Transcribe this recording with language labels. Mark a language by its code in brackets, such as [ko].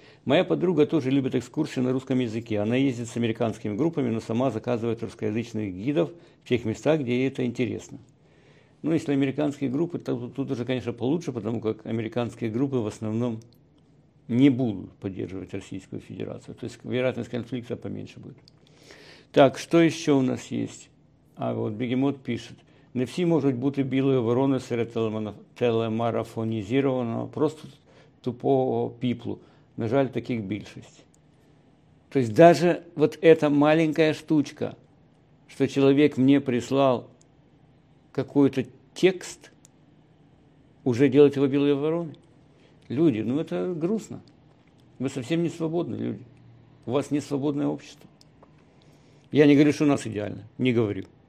[ru] Моя подруга тоже любит экскурсии на русском языке. Она ездит с американскими группами, но сама заказывает русскоязычных гидов в тех местах, где ей это интересно. Ну, если американские группы, то тут уже, конечно, получше, потому как американские группы в основном не будут поддерживать Российскую Федерацию. То есть вероятность конфликта поменьше будет. Так, что еще у нас есть? А вот Бегемот пишет. [uk] Не всі можуть бути білою вороною серед телемарафонізованого, просто тупого піплу. На жаль, таких більшість. [ru] То есть даже вот эта маленькая штучка, что человек мне прислал какой-то текст, уже делать его белой вороной? Люди, ну это грустно. Вы совсем не свободны, люди. У вас не свободное общество. Я не говорю, что у нас идеально. Не говорю.